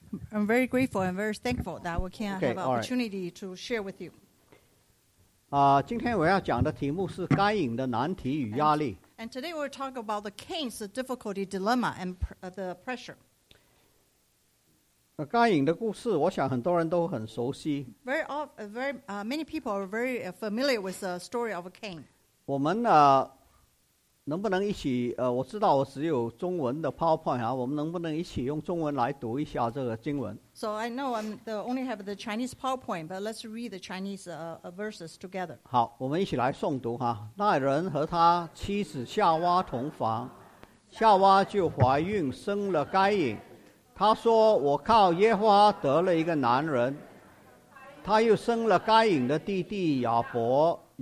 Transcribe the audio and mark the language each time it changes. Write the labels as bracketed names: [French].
[English] I'm very grateful and very thankful that we can have an opportunity to share with you. [Chinese] 今天我要讲的题目是该隐的难题与压力。 [English] And today we'll talk about the Cain's difficulty, dilemma, and the pressure. [Chinese] 该隐的故事，我想很多人都很熟悉。 [English] Many people are very familiar with the story of Cain. [Chinese] 我们能不能一起，我知道我只有中文的 PowerPoint 啊，我们能不能一起用中文来读一下这个经文？ [English] So I know I'm the only have the Chinese PowerPoint, but let's read the Chinese verses together. [Chinese] 好，我们一起来诵读哈。那人和他妻子夏娃同房，夏娃就怀孕生了该隐。他说：“我靠耶和华得了一个男人。”他又生了该隐的弟弟亚伯。